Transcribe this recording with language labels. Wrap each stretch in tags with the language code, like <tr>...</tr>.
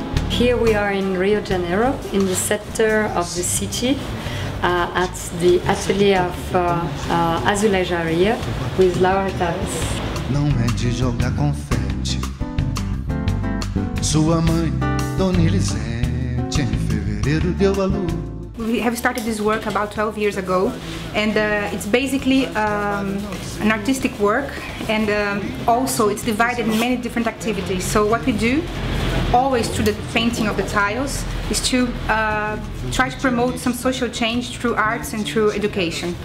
<en>Here we are in Rio de Janeiro, in the center of the city, at the atelier of Azulejaria with Laura Tavares.</en> <pt>Não é de jogar confete. Sua mãe, Dona Elisete, em fevereiro deu a luz.</pt> <en>We have started this work about 12 years ago, and it's basically an artistic work, and also it's divided in many different activities. So what we do, always through the painting of the tiles, is to try to promote some social change through arts and through education.</en>